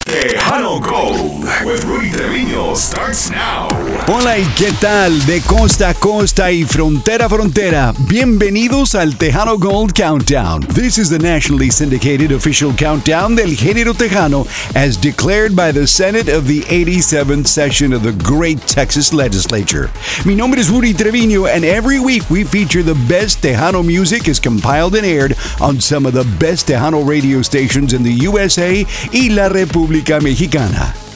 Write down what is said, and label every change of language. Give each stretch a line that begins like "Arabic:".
English: Tejano Gold with Rudy Treviño starts now.
Spanish: Hola y qué tal, de costa a costa y frontera a frontera. Bienvenidos al Tejano Gold Countdown.
English: This is the nationally syndicated official countdown
Spanish: del género Tejano
English: as declared by the Senate of the 87th session of the great Texas Legislature.
Spanish: Mi nombre es
English: Rudy Treviño and every week we feature the best Tejano music as compiled and aired on some of the best Tejano radio stations in the USA
Spanish: y la República Mexicana.